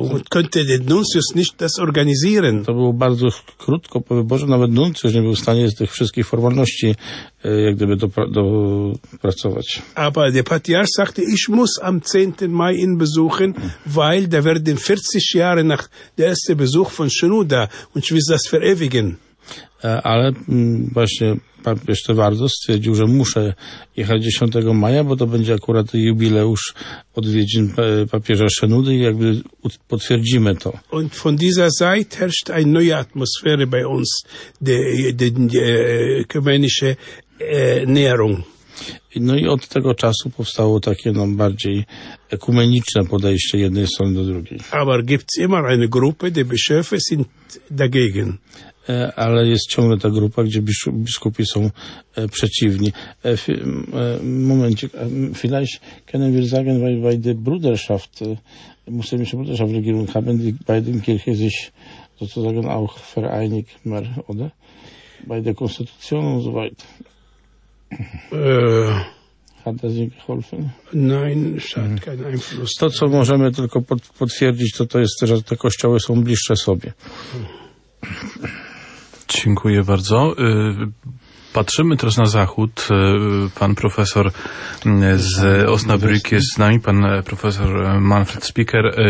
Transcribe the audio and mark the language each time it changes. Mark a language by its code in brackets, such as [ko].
[de] Könnte der Nuncius nicht das organisieren. [pl] To było bardzo krótko po wyborze, nawet Nuncius nie był w stanie z tych wszystkich formalności jak gdyby dopracować. [de] Aber der Patriarch sagte, ich muss am 10. Mai ihn besuchen, weil da werden 40 Jahre nach der erste Besuch von Schnuda und ich will das verewigen. [pl] Ale właśnie papież Tewardos stwierdził, że muszę jechać 10 maja, bo to będzie akurat jubileusz odwiedzin papieża Szenudy i jakby potwierdzimy to. [de] Und von dieser Seite herrscht eine neue Atmosphäre bei uns, die ökumenische Näherung. [pl] No i od tego czasu powstało takie no, bardziej ekumeniczne podejście jednej strony do drugiej. [de] Aber gibt's immer eine Gruppe, die Bischöfe sind dagegen. [pl] Ale jest ciągle ta grupa, gdzie biskupi są przeciwni. Momencik, [de] vielleicht können wir sagen, weil bei der Bruderschaft, muslimische Bruderschaft Regierung haben die beiden Kirche sich sozusagen auch vereinigt, mehr, oder? Bei der Konstitution und so weiter. Hat das nicht geholfen? Nein, es hat keinen Einfluss. [pl] To, co możemy tylko potwierdzić, to jest, że te kościoły są bliższe sobie. Dziękuję bardzo. Patrzymy teraz na zachód. Pan profesor z Osnabrück jest z nami, pan profesor Manfred Spieker.